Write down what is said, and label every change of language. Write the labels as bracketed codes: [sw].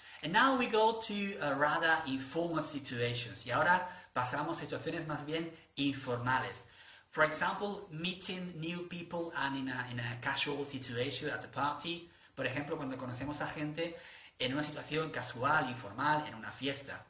[en] And now we go to a rather informal situations. [es] Y ahora pasamos a situaciones más bien informales. [en] For example, meeting new people and in a casual situation at the party. [es] Por ejemplo, cuando conocemos a gente en una situación casual, informal, en una fiesta.